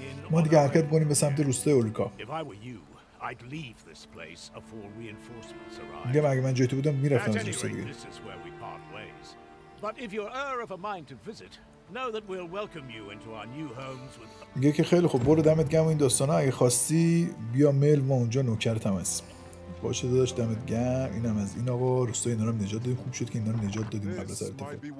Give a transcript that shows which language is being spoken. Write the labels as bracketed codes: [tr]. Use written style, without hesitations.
[fa] ما دیگه حرکت کنیم به سمت روستای اولیکا. [en] I'd leave this place before reinforcements arrive. [fa] مگه من جایی تو بودم میرفتم از روستا دیگه. [en] This is where we part ways. But if you're of a mind to visit, know that we'll welcome you into our new homes with. [fa] میگه که خیلی خوب، برو دمت گرم این دوستانه، اگه خواستی بیا میل ما اونجا نوکرتم هست. باشه داداش دمت گرم، اینم از این آقا روستا اینا رو نجات دادیم، خوب شد که اینا رو نجات دادیم قبل از ارتفاع.